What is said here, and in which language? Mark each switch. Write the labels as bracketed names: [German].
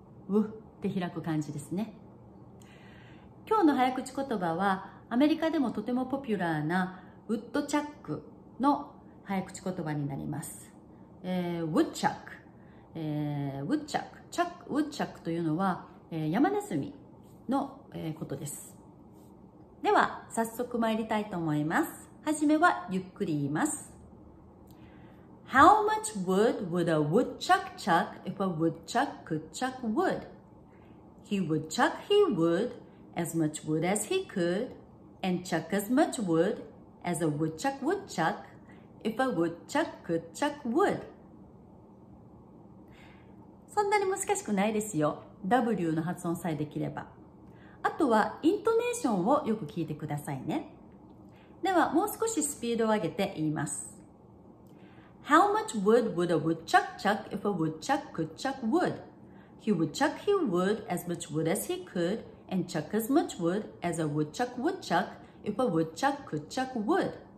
[Japanese] わって開く感じですね。今日の早口言葉はアメリカでもとてもポピュラーなウッドチャックの早口言葉になります。ウッチャック、ウッチャック、チャック、ウッチャックというのは、山ネズミの、ことです。では早速参りたいと思います。はじめはゆっくり言います。 [English] How much wood would a woodchuck chuck if a woodchuck could chuck wood? He would chuck he would as much wood as he could and chuck as much wood as a woodchuck would chuck if a woodchuck could chuck wood. [Japanese] そんなに難しくないですよ。W の発音さえできれば。あとはイントネーションをよく聞いてくださいね。ではもう少しスピードを上げて言います。 [English] How much wood would a woodchuck chuck if a woodchuck could chuck wood? He would chuck he would as much wood as he could and chuck as much wood as a woodchuck would chuck if a woodchuck could chuck wood.